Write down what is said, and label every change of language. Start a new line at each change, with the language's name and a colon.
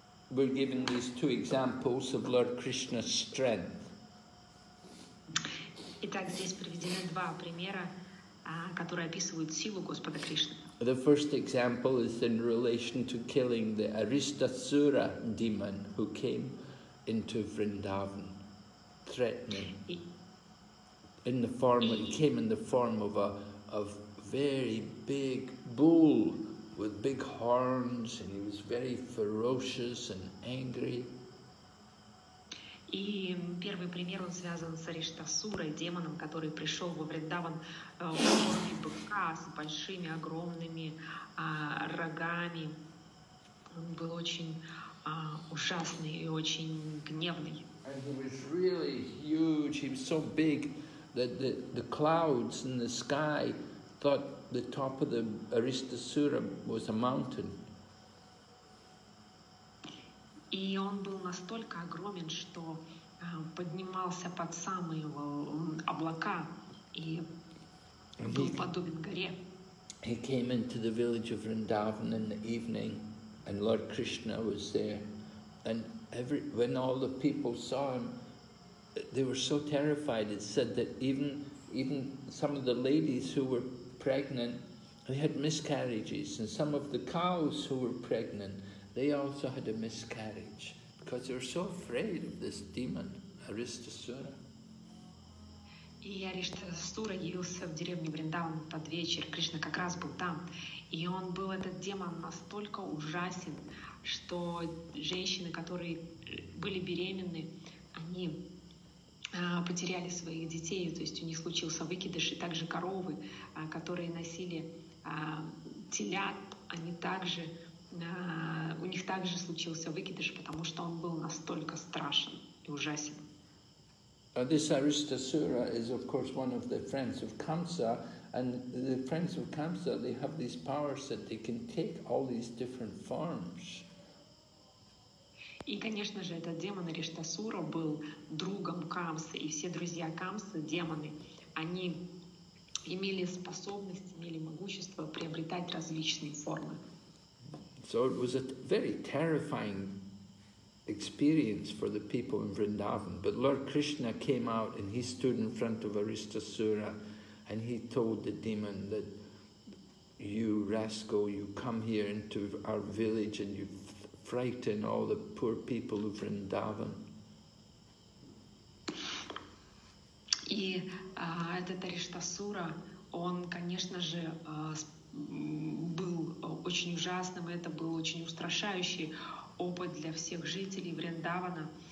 English: We're given these two examples of Lord Krishna's strength.
Russian: Итак, здесь приведены два примера, которые описывают силу Господа Кришны.
English: The first example is in relation to killing the Ariṣṭasura demon who came into Vrindavan, threatening. He came in the form of a very big bull. With big horns, and he was very ferocious and angry.
Russian: И первый пример он связан с Ариштасурой, демоном, который пришел во Вриндаван в форме быка с большими огромными рогами. Он был очень ужасный и очень гневный.
English: And he was really huge. He was so big that the clouds in the sky thought the top of the Ariṣṭasura was a mountain.
Russian: И он был настолько огромен, что поднимался под самые облака и был подобен горе.
English: He came into the village of Vrindavan in the evening, and Lord Krishna was there. And when all the people saw him, they were so terrified. It said that even some of the ladies who were pregnant, they had miscarriages, and some of the cows who were pregnant, they also had a miscarriage because they were so afraid of this demon, Ariṣṭasura.
Russian: И Ариṣṭasura явился в деревне Вриндаван под вечер. Кришна как раз был там, и он был этот демон настолько ужасен, что женщины, которые были беременны, они потеряли своих детей, то есть у них случился выкидыш, и также коровы, которые носили телят, они также, у них также случился выкидыш, потому что он был настолько страшен и ужасен.
English: This Ariṣṭasura is of course one of the friends of Kamsa, and the friends of Kamsa, they have these powers that they can take all these different forms.
Russian: И, конечно же, этот демон Ариṣṭasura был другом Камсы, и все друзья Камсы, демоны, они имели способность, имели могущество приобретать различные формы.
English: So it was a very terrifying experience for the people in Vrindavan. But Lord Krishna came out and he stood in front of Ariṣṭasura and he told the demon that, you rascal, you come here into our village and you frighten all the poor people of Vrindavan.
Russian: И этот Ариṣṭasura, он, конечно же, был очень ужасным, это был очень устрашающий опыт для всех жителей Вриндавана.